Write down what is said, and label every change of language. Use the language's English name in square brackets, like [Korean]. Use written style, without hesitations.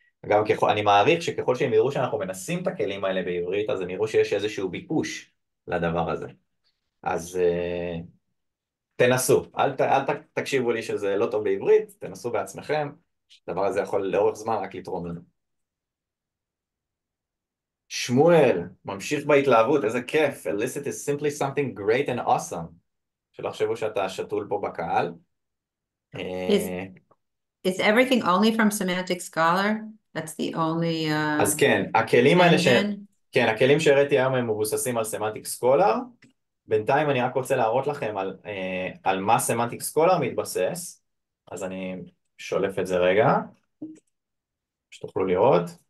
[Hebrew] אגב, אני מעריך שככל שהם יראו שאנחנו מנסים את הכלים האלה בעברית, אז הם יראו שיש איזשהו ביקוש לדבר הזה. אז תנסו, אל תקשיבו לי שזה לא טוב בעברית, תנסו בעצמכם, הדבר הזה יכול לאורך זמן רק לתרום לנו. שמואל, ממשיך בהתלהבות, איזה כיף. [English] Elicit is simply something great and awesome. [Hebrew] שלא חשבו שאתה שתול פה בקהל. [English] Is everything only from Semantic Scholar? That's the only [Hebrew] אז כן, הכלים האלה ש... [English] engine? [Hebrew] כן, הכלים שהראיתי היום הם מבוססים על Semantic Scholar. בינתיים אני רק רוצה להראות לכם על, על מה Semantic Scholar מתבסס. אז אני שולף את זה רגע, שתוכלו לראות.